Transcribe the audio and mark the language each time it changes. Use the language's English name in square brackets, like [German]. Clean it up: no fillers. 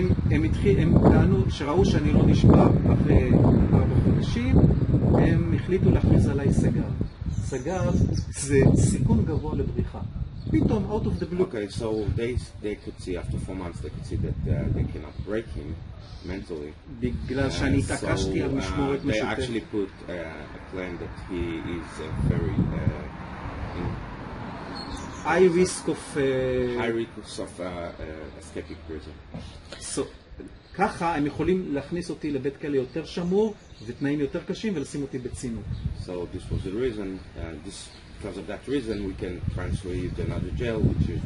[Hebrew] הם התחילו, שראו שאני לא נשבע אחרי 4 חודשים, הם החליטו להכניס עליי סגר. סגר זה סיכון גבוה לבריחה. פתאום, [English] out of the blue. Okay, so they could see, after 4 months, they could see that they cannot break him mentally. [Hebrew] בגלל שאני התעקשתי על משמורת משותפת. [English] They actually put a plan that he is very... high risk of... high risk of escaping prison. [Hebrew] So, ככה הם יכולים להכניס אותי לבית כלא יותר שמור, ותנאים יותר קשים, ולשים אותי בצינוק. [English] So this was the reason, and this... because of that reason we can transfer you to another jail which is